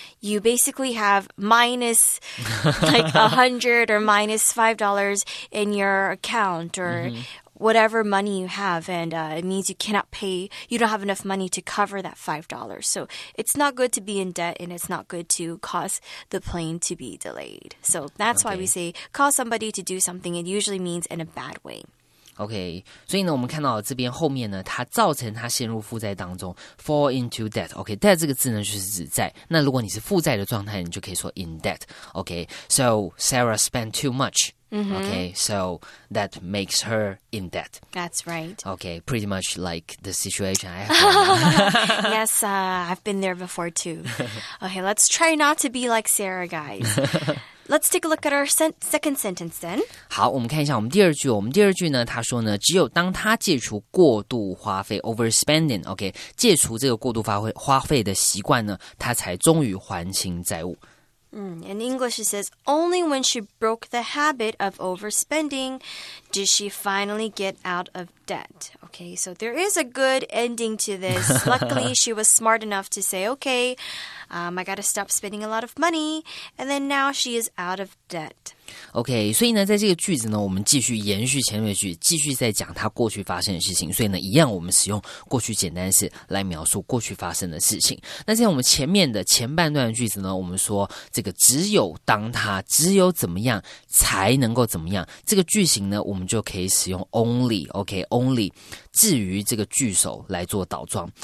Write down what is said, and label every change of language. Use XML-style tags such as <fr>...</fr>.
<en>You basically have minus like $100 or minus $5 in your account or whatever money you have. And it means you cannot pay, you don't have enough money to cover that $5. So it's not good to be in debt, and it's not good to cause the plane to be delayed. So that's why we say cause somebody to do something. It usually means in a bad way.</en> <zh>OK, 所以呢我们看到这边后面呢，它造成它陷入负债当中</zh> <en>fall into debt.</en> <zh>OK, debt 这个字呢就是指债，那如果你是负债的状态，你就可以说 in debt.</zh> <en>OK, so Sarah spent too much. OK, so that makes her in debt. That's right. OK, pretty much like the situation I have. Yes, I've been there before too. OK, let's try not to be like Sarah, guys. Let's take a look at our second sentence then.</en> <zh>好，我们看一下我们第二句。我们第二句呢，他说呢，只有当他戒除过度花费 overspending, OK, 戒除这个过度花费的习惯呢，他才终于还清债务。</zh> <en>In English it says, only when she broke the habit of overspending did she finally get out of debt. Okay, so there is a good ending to this. Luckily, she was smart enough to say, okay, I gotta stop spending a lot of money, and then now she is out of debt.</en> <zh>OK, 所以呢在这个句子呢我们继续延续前面的句子，继续在讲他过去发生的事情，所以呢一样我们使用过去简单式来描述过去发生的事情。那在我们前面的前半段的句子呢，我们说这个只有当他只有怎么样才能够怎么样，这个句型呢我们就可以使用 only, OK, only 至于这个句首来做倒装。</zh>